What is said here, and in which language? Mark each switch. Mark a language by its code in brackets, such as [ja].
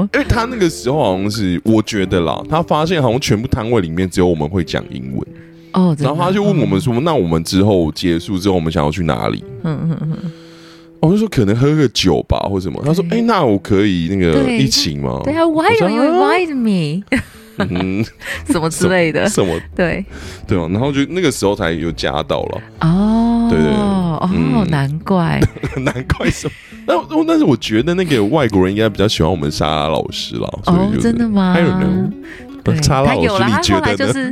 [zh] 因为他那个时候好像是，我觉得啦，他发现好像全部摊位里面只有我们会讲英文。然后他就问我们说那我们之后结束之后我们想要去哪里，我就说可能喝个酒吧或什么，他说那我可以那个一起吗？对啊， [en] Why don't you invite me？ [zh] 什么之类的什么，对对嘛，然后就那个时候才有加到了哦，对对哦，难怪难怪什么，但是我觉得那个外国人应该比较喜欢我们莎拉老师啦，哦真的吗？ [en] I don't know， [zh] 他有了，他后来就是